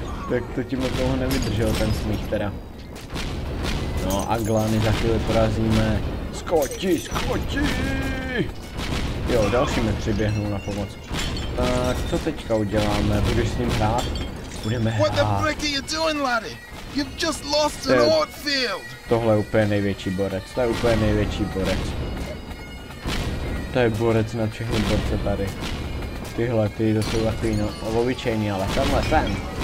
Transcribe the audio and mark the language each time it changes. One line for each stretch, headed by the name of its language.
Czech: Tak to ti moc dlouho nevydržel ten smích teda. No a glány za chvíli porazíme. Skoči, skoči! Jo, další mi přiběhnou na pomoc. Tak, co teďka uděláme? Budeš s ním hrát? Budeme hrát.
English: What the frick are you doing, laddie? You've just lost an old field.
Czech: Tohle je úplně největší borec, to je úplně největší borec. To je borec na všechny borce tady. Tyhle, ty to jsou takový no, obyčejný, ale tamhle ten.